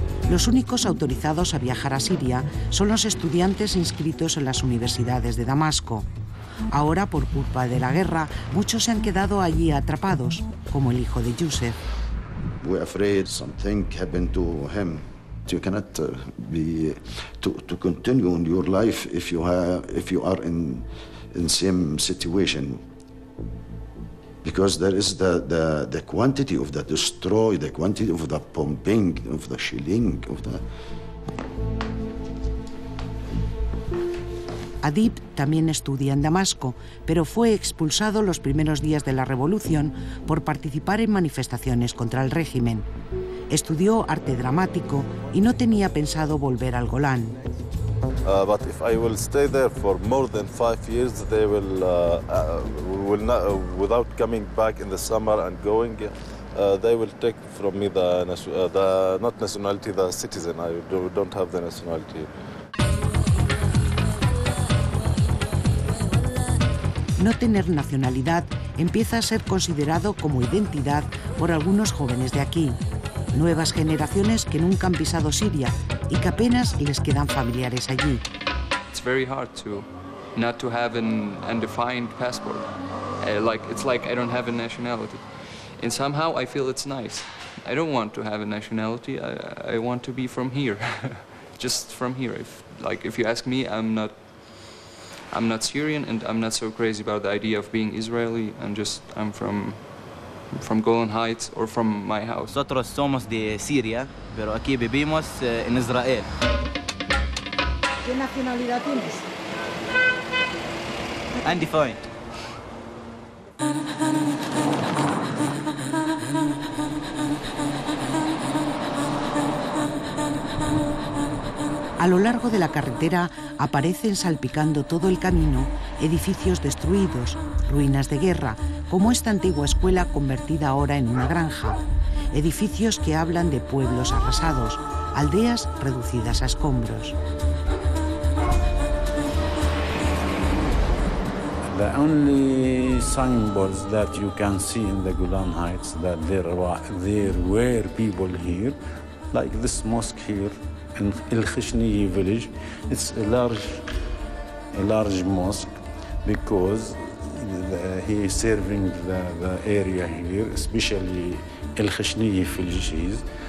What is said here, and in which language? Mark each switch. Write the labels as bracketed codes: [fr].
[es] Los únicos autorizados a viajar a Siria son los estudiantes inscritos en las universidades de Damasco. Ahora, por culpa de la guerra, muchos se han quedado allí atrapados, como el hijo de Yusef. [en] We're afraid something happened to him. You cannot be to continue on your life if you are in same situation. Because there is the quantity of the destroy, the quantity of the bombing, of the shelling, of the. [es] Adib también estudia en Damasco, pero fue expulsado los primeros días de la revolución por participar en manifestaciones contra el régimen. Estudió arte dramático y no tenía pensado volver al Golán. [en] But if I will stay there for more than 5 years, they will not, without coming back in the summer and going, they will take from me the not nationality, the citizen. I don't have the nationality. [es] No tener nacionalidad empieza a ser considerado como identidad por algunos jóvenes de aquí. Nuevas generaciones que nunca han pisado Siria y que apenas les quedan familiares allí. [en] It's very hard to not to have an undefined passport. It's like I don't have a nationality. And somehow I feel it's nice. I don't want to have a nationality. I want to be from here. Just from here. If you ask me, I'm not Syrian and I'm not so crazy about the idea of being Israeli. I'm from Golan Heights or from my house. [es] Nosotros somos de Siria, pero aquí vivimos en Israel. ¿Qué nacionalidad tienes? [en] Undefined. [es] A lo largo de la carretera aparecen salpicando todo el camino edificios destruidos, ruinas de guerra, como esta antigua escuela convertida ahora en una granja. Edificios que hablan de pueblos arrasados, aldeas reducidas a escombros. [en] The only signboards that you can see in the Golan Heights that there were people here, like this mosque here in El Khishniyye village. It's a large mosque because he is serving the area here, especially El Khishniyye villages.